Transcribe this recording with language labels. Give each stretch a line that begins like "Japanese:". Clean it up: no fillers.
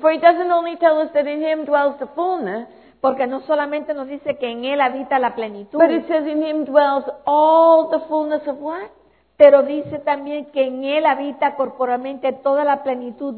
English: For it doesn't only tell us that in him dwells the fullness.
Spanish: Porque no solamente nos dice que en él habita la plenitud.
English: But it says in him dwells all the fullness of what?
Spanish: Pero dice también que en él habita corporalmente toda la plenitud